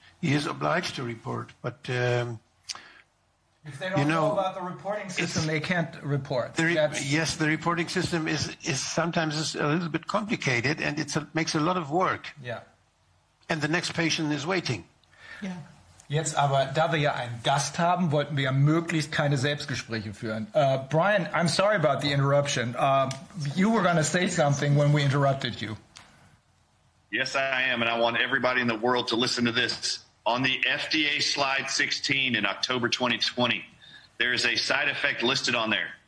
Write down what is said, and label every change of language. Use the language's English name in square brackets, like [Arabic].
[English] He is obliged to report, but if they don't know about the reporting system, they can't report. The reporting system is sometimes a little bit complicated, and it makes a lot of work. Yeah. And the next patient is waiting. Yeah. [German] Jetzt aber, da wir ja einen Gast haben, wollten wir ja möglichst keine Selbstgespräche führen. [English] Brian, I'm sorry about the interruption. You were going to say something when we interrupted you. Yes, I am, and I want everybody in the world to listen to this. On the FDA slide 16 in October 2020, there is a side effect listed on there.